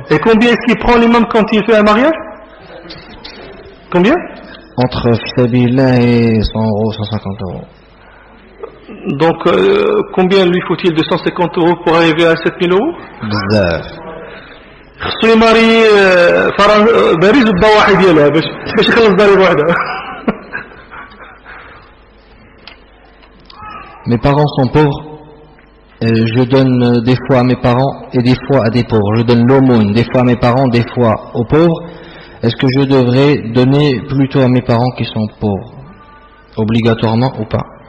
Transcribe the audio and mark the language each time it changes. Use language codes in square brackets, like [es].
[fr] Et combien est-ce qu'il prend l'imam quand il fait un mariage? Combien? Entre Fisabilah et 100 euros, 150 euros. Donc, combien lui faut-il de 150 euros pour arriver à 7000 euros? Bizarre. [ar] خصو يماري فرنسا باريس الضواحي ديالها باش يخلص داري بوحدها. [fr] Mes parents sont pauvres. Je donne des fois à mes parents et des fois à des pauvres. Je donne l'aumône des fois à mes parents, des fois aux pauvres. est-ce que je devrais donner plutôt à mes parents qui sont pauvres, obligatoirement ou pas?